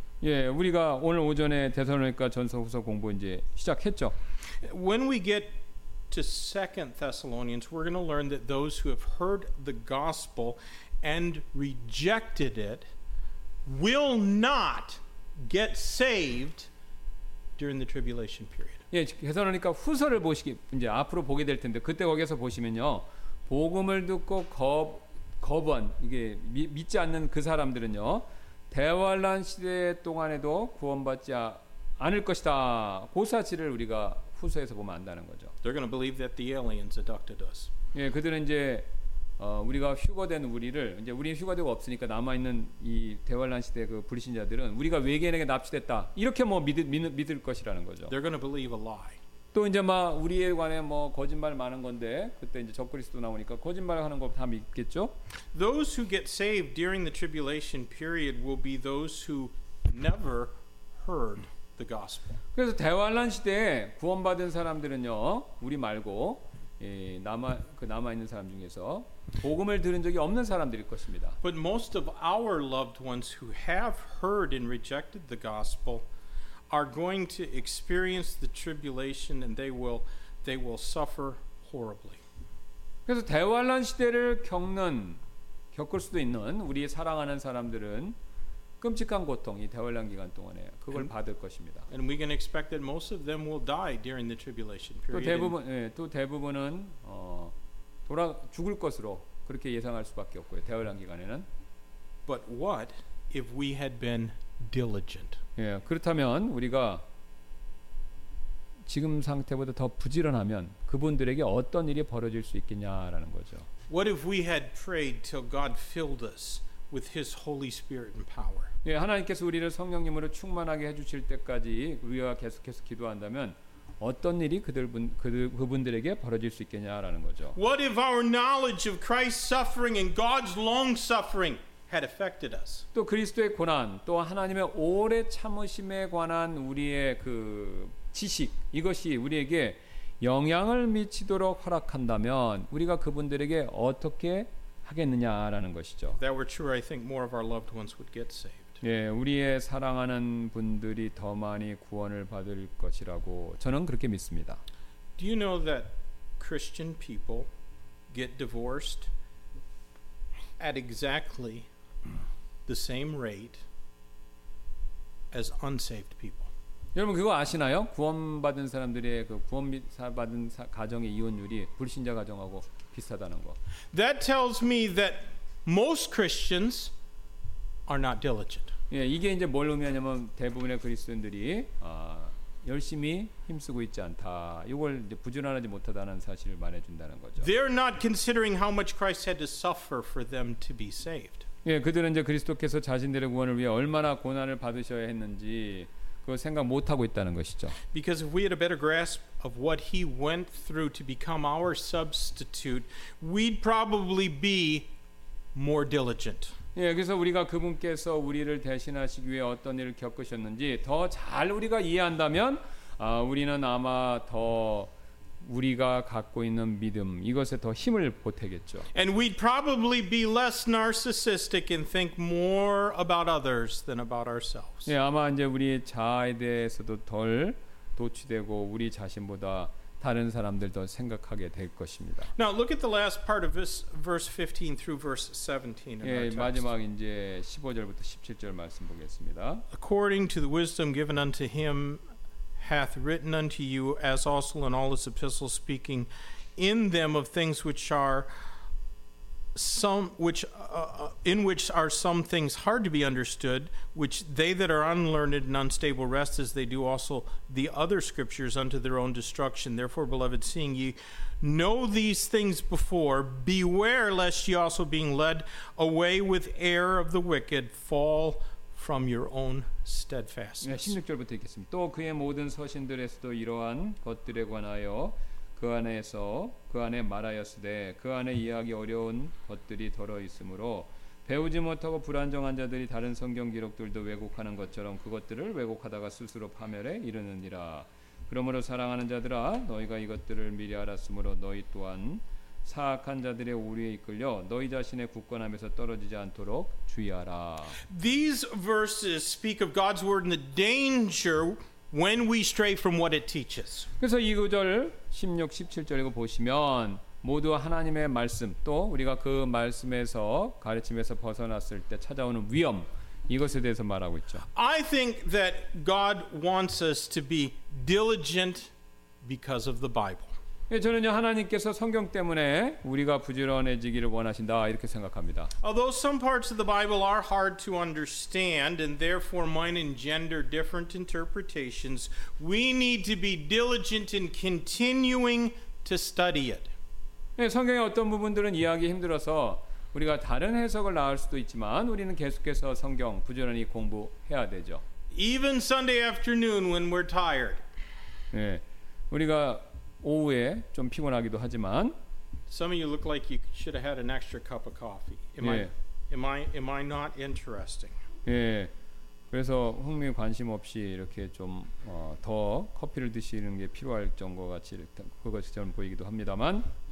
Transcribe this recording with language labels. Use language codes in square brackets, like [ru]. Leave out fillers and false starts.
[ko] 예, 우리가 오늘 오전에 데살로니가 전서 후서 공부 이제 시작했죠. [en] When we get to 2 Thessalonians, we're going to learn that those who have heard the gospel and rejected it will not get saved during the tribulation period. [ko] 예, 그래서 그러니까 후서를 보시기 이제 앞으로 보게 될 텐데 그때 거기서 보시면요. 복음을 듣고 거부한 이게 믿지 않는 그 사람들은요. 대환란 시대 동안에도 구원받지 않을 것이다. 그 사실을 우리가 후서에서 보면 안다는 거죠. [en] They're going to believe that the aliens abducted us. [ko] 예, 그들은 이제 우리가 휴거된 우리를 이제 우리 휴거되고 없으니까 남아 있는 이 대환란 시대 그 불신자들은 우리가 외계인에게 납치됐다. 이렇게 뭐 믿을 것이라는 거죠. [en] They're going to believe a lie. [ko] 또 이제 막 우리에 관해 뭐 거짓말 많은 건데 그때 이제 적그리스도 나오니까 거짓말 하는 거 다 믿겠죠? [en] Those who get saved during the tribulation period will be those who never heard the gospel. [ko] 그래서 대환란 시대에 구원받은 사람들은요. 우리 말고 남아 있는 사람 중에서 복음을 들은 적이 없는 사람들일 것입니다. [en] But most of our loved ones who have heard and rejected the gospel are going to experience the tribulation and they will suffer horribly. [ko] 그래서 대환란 시대를 겪을 수도 있는 우리 사랑하는 사람들은 끔찍한 고통 이 대환란 기간 동안에 그걸 and, 받을 것입니다. [en] And we can expect that most of them will die during the tribulation period. [ko] 또 대부분은 돌아 죽을 것으로 그렇게 예상할 수밖에 없고요. 대환란 기간에는 [en] But what if we had been diligent? [ko] 예, 그렇다면 우리가 지금 상태보다 더 부지런하면 그분들에게 어떤 일이 벌어질 수 있겠냐라는 거죠. [en] What if we had prayed till God filled us with his holy spirit and power? [ko] 예, 하나님께서 우리를 성령님으로 충만하게 해 주실 때까지 우리가 계속해서 기도한다면 어떤 일이 그분들에게 벌어질 수 있겠냐라는 거죠. [en] What if our knowledge of Christ's suffering and God's long suffering had affected us? [ko] 또 그리스도의 고난, 또 하나님의 오래 참으심에 관한 우리의 그 지식 이것이 우리에게 영향을 미치도록 허락한다면 우리가 그분들에게 어떻게 하겠느냐라는 것이죠. [en] That were true, I think more of our loved ones would get saved. [ko] 예, 우리의 사랑하는 분들이 더 많이 구원을 받을 것이라고 저는 그렇게 믿습니다. [en] Do you know that Christian people get divorced at exactly the same rate as unsaved people? [ko] 여러분 그거 아시나요? 구원받은 사람들의 그 구원받은 가정의 이혼율이 불신자 가정하고 비슷하다는 거. [en] That tells me that most Christians are not diligent. [ko] 예, 이게 이제 뭘 의미하냐면 대부분의 그리스도인들이 열심히 힘쓰고 있지 않다. 이걸 이제 부지런하지 못하다는 사실을 말해 준다는 거죠. [en] They're not considering how much Christ had to suffer for them to be saved. [ko] 예, 그들은 이제 그리스도께서 자신들의 구원을 위해 얼마나 고난을 받으셔야 했는지 그걸 생각 못 하고 있다는 것이죠. [en] Because if we had a better grasp of what he went through to become our substitute, we'd probably be more diligent. [ko] 예, 그래서 우리가 그분께서 우리를 대신하시기 위해 어떤 일을 겪으셨는지 더 잘 우리가 이해한다면 우리는 아마 더 우리가 갖고 있는 믿음 이것에 더 힘을 보태겠죠. [en] And we'd probably be less narcissistic and think more about others than about ourselves. [ko] 예, 아마 이제 우리 자아에 대해서도 덜 도취되고 우리 자신보다 다른 사람들도 생각하게 될 것입니다. [en] Now look at the last part of this verse 15 through verse 17. [ko] 예, 마지막 이제 15절부터 17절 말씀 보겠습니다. [en] According to the wisdom given unto him hath written unto you as also in all his epistles speaking in them of things which are some which in which are some things hard to be understood which they that are unlearned and unstable rest as they do also the other scriptures unto their own destruction therefore beloved seeing ye know these things before beware lest ye also being led away with error of the wicked fall from your own steadfastness. [ko] 네, 16절부터 읽겠습니다. 또 그의 모든 서신들에서도 이러한 것들에 관하여 그 안에서 그 안에 말하였으되 그 안에 이해하기 어려운 것들이 더러 있으므로 배우지 못하고 불안정한 자들이 다른 성경 기록들도 왜곡하는 것처럼 그것들을 왜곡하다가 스스로 파멸에 이르느니라 그러므로 사랑하는 자들아 너희가 이것들을 미리 알았으므로 너희 또한 사악한 자들의 오류에 이끌려 너희 자신의 굳건함에서 떨어지지 않도록 주의하라 [en] These verses speak of God's word and the danger when we stray from what it teaches. [ko] 그래서 이 구절 16, 17절 읽어 보시면 모두 하나님의 말씀 또 우리가 그 말씀에서 가르침에서 벗어났을 때 찾아오는 위험 이것에 대해서 말하고 있죠. [en] I think that God wants us to be diligent because of the Bible. [ko] 예, 저는요 하나님께서 성경 때문에 우리가 부지런해지기를 원하신다 이렇게 생각합니다. [en] Although some parts of the Bible are hard to understand and therefore might engender different interpretations, we need to be diligent in continuing to study it. [ko] 예, 성경의 어떤 부분들은 이해하기 힘들어서 우리가 다른 해석을 낳을 수도 있지만 우리는 계속해서 성경 부지런히 공부해야 되죠. [en] Even Sunday afternoon when we're tired. [ko] 예, 우리가 오후에 좀 피곤하기도 하지만 [en] Some of you look like you should have had an extra cup of coffee. Am I not interesting? [ko] 예. 그래서 흥미 관심 없이 이렇게 좀 더 커피를 드시는 게 필요할 정도 같이 그것처럼 보이기도 합니다만